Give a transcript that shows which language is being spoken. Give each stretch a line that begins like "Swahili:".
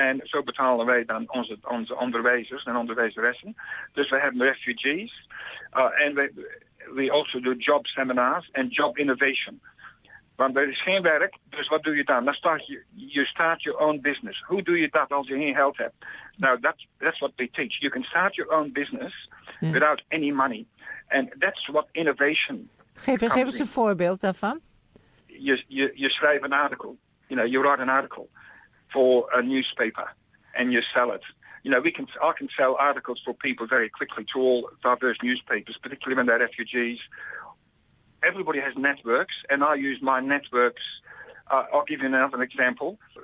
Dutch: En zo betalen wij dan onze onderwijzers en onderwijzeressen. Dus we hebben
English: refugees. En we also do job seminars en job innovation.
Dutch: Want er is geen werk, dus wat doe je dan? Dan
English: start your own business.
Dutch: Hoe doe je dat als je geen geld hebt?
English: Nou, that's what they teach. You can start your own business without any money. And that's what innovation...
Dutch: Geef eens een voorbeeld daarvan. Je schrijft een artikel.
English: You know, you write an article for a newspaper. And you sell it. You know, I can sell articles for people very quickly to all diverse newspapers, particularly when they're refugees. Everybody has networks, and I use my networks. I'll give you another example.